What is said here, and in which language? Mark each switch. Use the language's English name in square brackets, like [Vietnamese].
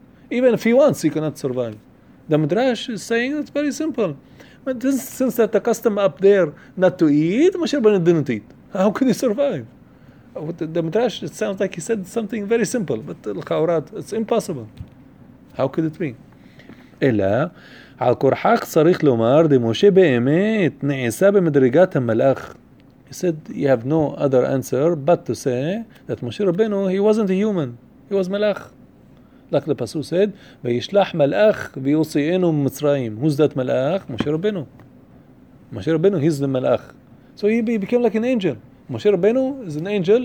[English] Even if he wants, he cannot survive. The Midrash is saying it's very simple. But this, since that the custom up there not to eat, Moshe Rabbeinu didn't eat. How could he survive? The Midrash, it sounds like he said something very simple, but l'chaorat, it's impossible. How could it be? [Hebrew] אלא על כורחך צריך לומר דמשה באמת נעשה במדרגת המלאך. [English] He said, you have no other answer but to say that Moshe Rabbeinu, he wasn't a human. He was מלאך. Like the Pasuk said, [Hebrew] וישלח מלאך ויוציאנו ממצרים. [English] Who's that מלאך? Moshe Rabbeinu. Moshe Rabbeinu, he's the מלאך. So he became like an angel. Moshe Rabbeinu is an angel.